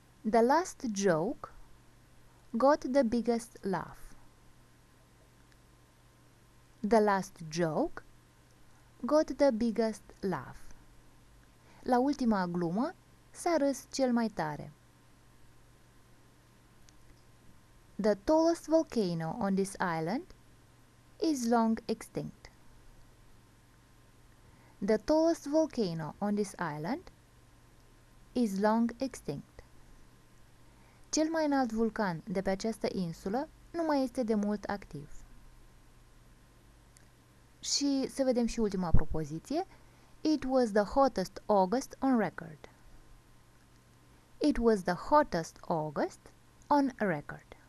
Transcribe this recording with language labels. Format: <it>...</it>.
<en>The last joke got the biggest laugh. The last joke got the biggest laugh.</en> <ro>La ultima glumă s-a râs cel mai tare.</ro> <en>The tallest volcano on this island is long extinct. The tallest volcano on this island is long extinct.</en> <ro>Cel mai înalt vulcan de pe această insulă nu mai este de mult activ. Și să vedem și ultima propoziție.</ro> <en>It was the hottest August on record. It was the hottest August on record.</en>